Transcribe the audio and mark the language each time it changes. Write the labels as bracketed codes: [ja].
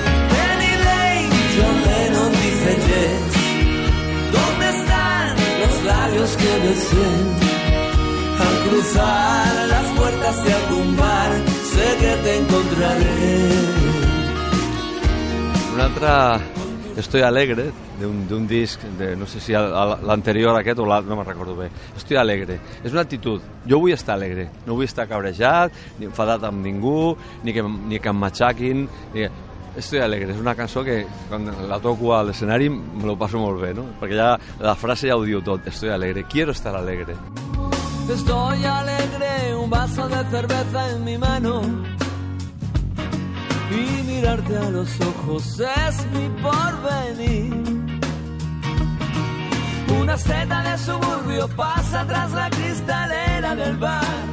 [es] Penny Lane, John Lennon dice yes. ¿Dónde están los labios que besé? Al cruzar las puertas de algún bar, sé que te encontraré. Una otra [ca] Estoy alegre, de un disc, de, no sé si l'anterior aquest o l'altre, no me'n recordo bé. Estoy alegre, és una actitud. Jo vull estar alegre, no vull estar cabrejat, ni enfadat amb ningú, ni que em matxaquin. Estoy alegre, és una cançó que quan la toco a l'escenari [es] me lo paso [ca] molt bé, no? Perquè ja la frase ja ho diu tot, [es] estoy alegre, quiero estar alegre. Estoy alegre, un vaso de cerveza en mi mano. Y mirarte a los ojos es mi porvenir. Una seta de suburbio pasa tras la cristalera del bar.